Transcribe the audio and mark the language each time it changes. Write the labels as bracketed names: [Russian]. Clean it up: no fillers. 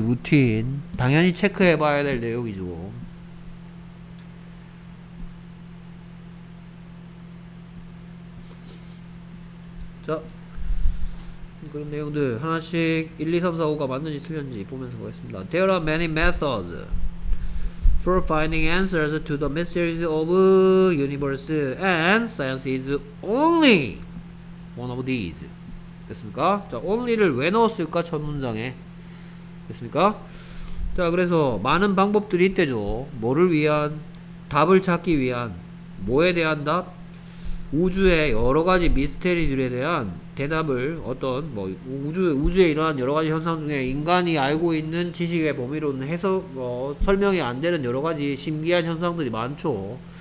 [Korean] 루틴 당연히 체크해 봐야 될 내용이죠. 자 그런 내용들 하나씩 1, 2, 3, 4, 5가 맞는지 틀렸는지 보면서 보겠습니다. [English] There are many methods for finding answers to the mysteries of universe and science is only one of these. [Korean] 됐습니까? 자 only를 왜 넣었을까 첫 문장에. 됐습니까? 자 그래서 많은 방법들이 있대죠. 뭐를 위한? 답을 찾기 위한. 뭐에 대한 답? 우주의 여러 가지 미스테리들에 대한 대답을, 어떤 뭐 우주에 이러한 여러 가지 현상 중에 인간이 알고 있는 지식의 범위로는 설명이 안 되는 여러 가지 신기한 현상들이 많죠.